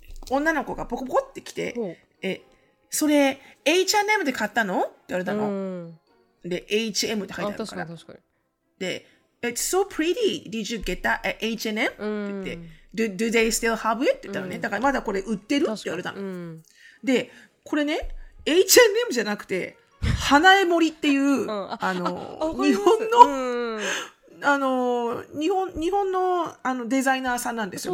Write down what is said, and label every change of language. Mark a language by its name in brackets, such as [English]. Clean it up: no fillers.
[Japanese] 女の子がポコポコって来て、え、それ H&M で買ったのって言われたの、うん、で H&M って書いてあるから、確かに確かに、で [English] It's so pretty Did you get that at H&M、 [Japanese] うん、って言って [English] Do they still have it [Japanese] って言ったのね、うん、だからまだこれ売ってるって言われたの、うん、でこれね H&M じゃなくて花江森っていう、うん、日本の、うん、日本の、 デザイナーさんなんですよ。